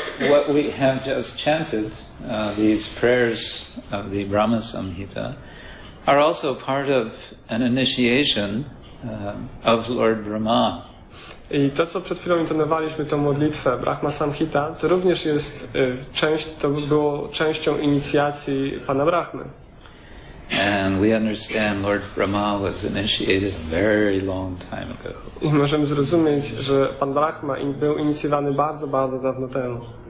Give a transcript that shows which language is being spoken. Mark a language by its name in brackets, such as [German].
[English] What we have just chanted, these prayers of the Brahma Samhita, are also part of an initiation of Lord Brahma. [Polish] I to, co przed chwilą intonowaliśmy, tą modlitwę Brahma Samhita, to również jest to było częścią inicjacji Pana Brahmy. [English] And we understand Lord Brahma was initiated a very long time ago. [Polish] I możemy zrozumieć, że Pan Brahma był inicjowany bardzo, bardzo dawno temu.